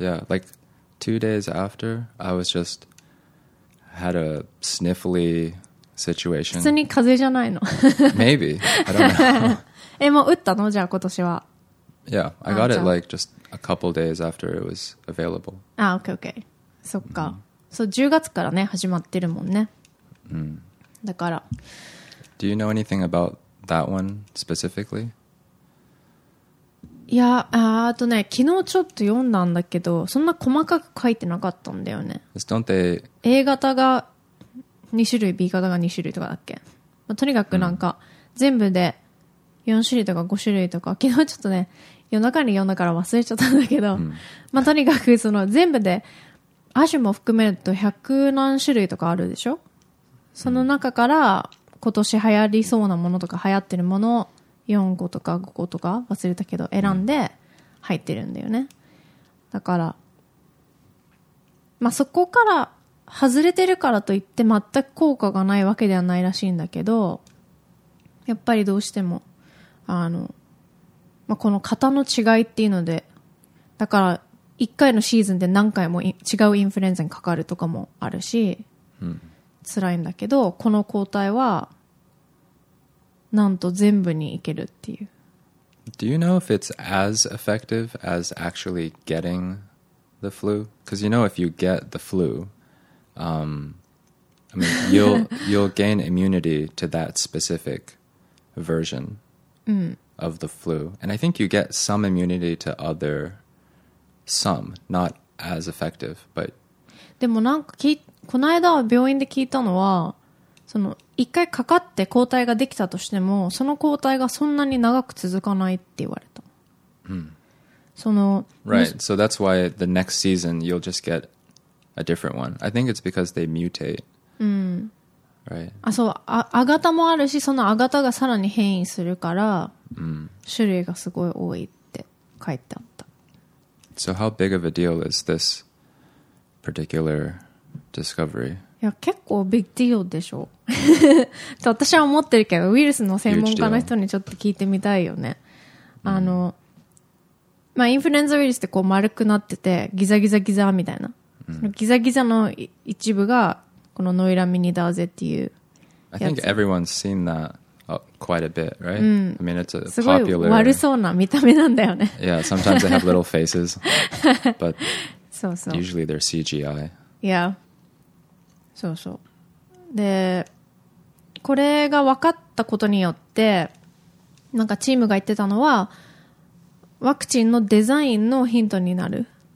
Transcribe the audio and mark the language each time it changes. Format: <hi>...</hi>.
<en>Yeah, like 2 days after, I was just had a sniffly situation.</en> <ja>普通に風邪じゃないの。</ja> <en>Maybe. I don't know.</en> <ja>え、もう打ったの？じゃあ今年は。</ja> <en>Yeah, I got it like just a couple days after it was available. Ah, okay, okay.</en> <ja>そっか。そう、10月からね、始まってるもんね。だから。</ja> <en>Do you know anything about that one specifically?</en> <ja>いや、ね、昨日ちょっと読んだんだけど、そんな細かく書いてなかったんだよね。</ja> <en>Don't they...</en> <ja>A 型が2種類、B 型が2種類とかだっけ？まあ、とにかくなんか、全部で、4種類とか5種類とか、昨日ちょっとね、夜中に読んだから忘れちゃったんだけど、うん、まあ、とにかくその全部で、亜種も含めると100何種類とかあるでしょ？その中から今年流行りそうなものとか流行ってるものを4個とか5個とか忘れたけど選んで入ってるんだよね。だから、まあ、そこから外れてるからといって全く効果がないわけではないらしいんだけど、やっぱりどうしても、まあ、この型の違いっていうので、だから1回のシーズンで何回も違うインフルエンザにかかるとかもあるし、うん、辛いんだけど、この抗体はなんと全部にいけるっていう。</ja> <en>Do you know if it's as effective as actually getting the flu? Because you know if you get the flu, I mean, you'll gain immunity to that specific version of the flu. And I think you get some immunity to other, some, not as effective, but...</en> <ja>でもなんかこの間病院で聞いたのは、その一回かかって抗体ができたとしても、その抗体がそんなに長く続かないって言われた。その、</ja> <en>Right, so that's why the next season you'll just get a different one. I think it's because they mutate. Right.</en> <ja>あ、そう、あ、アガタもあるし、そのアガタがさらに変異するから、種類がすごい多いって書いてあった。</ja> <en>So how big of a deal is this particular discovery?</en> <ja>いや、結構ビッグディールでしょ。と私は思ってるけど、ウイルスの専門家の人にちょっと聞いてみたいよね。あの、まあ、インフルエンザウイルスってこう丸くなってて、ギザギザギザみたいな。そのギザギザの一部が、このノイラミニダーゼっていう。</ja> <en>I think everyone's seen that quite a bit, right? I mean, it's a popular...</en> <ja>すごい悪そうな見た目なんだよね。</ja> <en>Yeah, sometimes they have little faces. But</en> <ja>そうそう</ja> <en>usually they're CGI.</en> <ja>Yeah. そうそう。で、これが分かったことによって、なんかチームが言ってたのは、ワクチンのデザインのヒントになる。</ja>